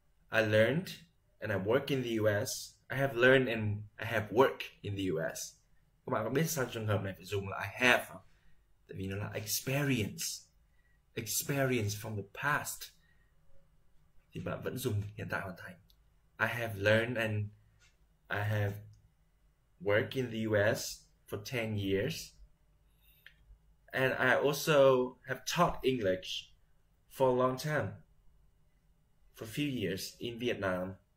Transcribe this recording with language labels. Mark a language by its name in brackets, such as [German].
[English] I learned and I work in the US. I have learned and I have work in the US. [Vietnamese] Các bạn có biết sao trường hợp này phải dùng là [English] I have [Vietnamese] không? Tại vì nó là experience. [English] Experience from the past [Vietnamese] thì bạn vẫn dùng hiện tại hoàn thành. [English] I have learned and I have worked in the US for 10 years and I also have taught English for a long time, for a few years in Vietnam.